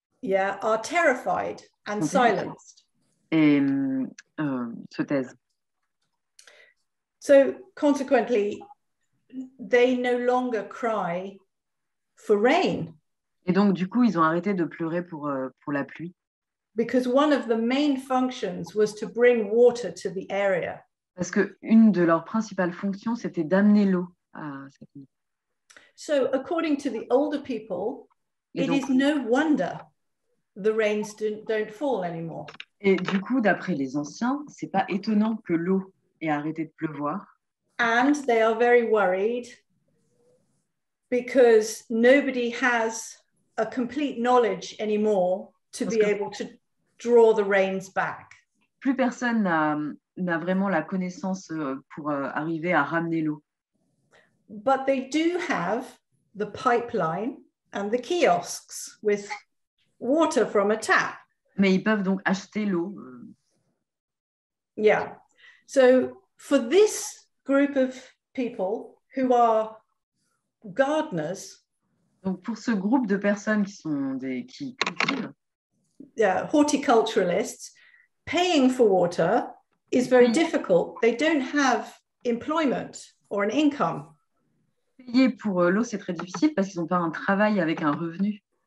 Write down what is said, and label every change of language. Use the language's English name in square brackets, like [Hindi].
[English] Yeah, are terrified and silenced. [French] Et se taisent. [English] So consequently, they no longer cry. For rain. [French] Et donc du coup, ils ont arrêté de pleurer pour la pluie. [English] Because one of the main functions was to bring water to the area. [French] Parce que une de leurs principales fonctions, c'était d'amener l'eau à cette ville. [English] So according to the older people, it is no wonder the rains don't fall anymore. [French] Et du coup, d'après les anciens, c'est pas étonnant que l'eau ait arrêté de pleuvoir. [English] And they are very worried. Because nobody has a complete knowledge anymore to be able to draw the reins back. [French] Plus personne n'a vraiment la connaissance pour arriver à ramener l'eau. [English] But they do have the pipeline and the kiosks with water from a tap. [French] Mais ils peuvent donc acheter l'eau. [English] Yeah. So for this group of people who are gardeners. [French] Donc pour ce groupe de personnes qui sont qui cultivent. [English] Yeah, horticulturalists, paying for water is very difficult. They don't have employment or an income. [French] Payer pour l'eau, c'est très difficile parce qu'ils n'ont pas un travail avec un revenu.